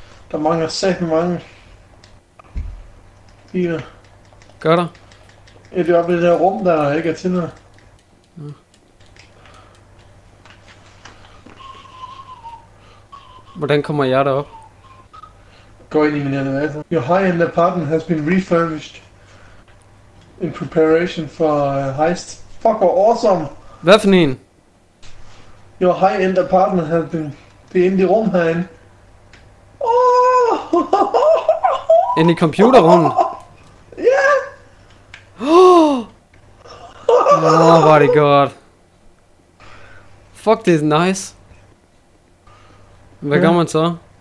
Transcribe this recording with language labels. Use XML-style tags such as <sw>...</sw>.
<da>Der mangler sæt mange biler. Gør der? Ja, det er oppe i det der rum, der ikke er til noget. Ja. Hvordan kommer jeg derop? Gå ind i min elevator.</da> <en>Your high-end apartment has been refurbished in preparation for heist.</en> <da>Fuck, hvor awesome! Hvad for en?</da> <en>Your high-end apartment has been...</en> <da>Det er inde i rum herinde. Oh! Inde i computerrummet? Ja! Yeah. Oh, hvor er det godt. Fuck, det er nice. Hvad gør man så?</da>